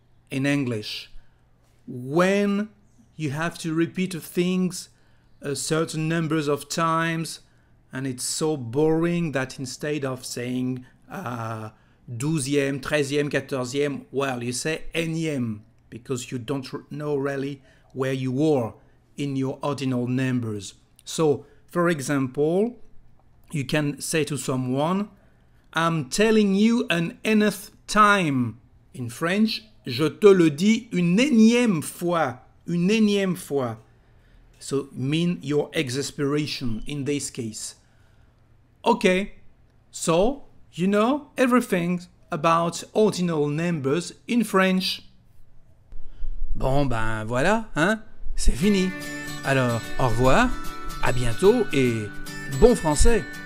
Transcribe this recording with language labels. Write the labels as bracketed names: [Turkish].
[English] In English, when you have to repeat things a certain numbers of times and it's so boring that instead of saying douzième, treizième, quatorzième, well, you say énième because you don't know really where you were in your ordinal numbers. So, for example, you can say to someone, I'm telling you an nth time. In French, [French] je te le dis une énième fois. Une énième fois. [English] So, mean your exasperation in this case. Okay, so, you know everything about ordinal numbers in French. [French] Bon, ben voilà, hein, c'est fini. Alors, au revoir, à bientôt et bon français.